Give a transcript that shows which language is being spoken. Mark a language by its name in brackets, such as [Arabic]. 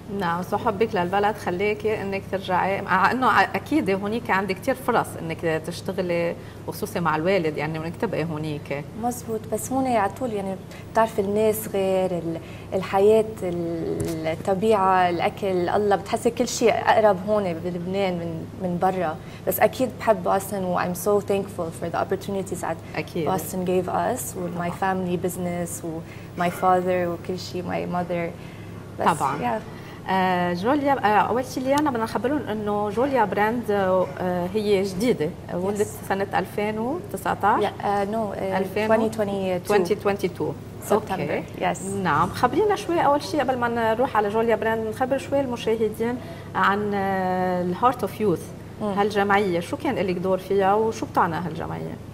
[Arabic] نعم، صحبك للبلد خليك انك ترجعي، مع انه اكيد هونيك عندك كثير فرص انك تشتغلي خصوصي مع الوالد، يعني انك تبقي هونيك. مزبوط، بس هون على طول يعني بتعرف الناس غير، الحياه، الطبيعه، الاكل، الله، بتحسي كل شيء اقرب هون بلبنان من برا. بس اكيد بحب بوسطن و [English] I'm so thankful for the opportunities that Boston gave us with my family business و my father [Arabic] وكل شيء [English] my mother. [Arabic] طبعا [English] yeah. [Arabic] جوليا، اول شيء اللي انا بدنا اخبرهم انه جوليا براند هي جديده، ولدت سنه 2019 [English] no 2022 [Arabic] سبتمبر. نعم، خبرينا شوي اول شيء قبل ما نروح على جوليا براند، نخبر شوي المشاهدين عن الهارت اوف يوث، هالجمعيه شو كان لك دور فيها وشو بتعنى هالجمعيه؟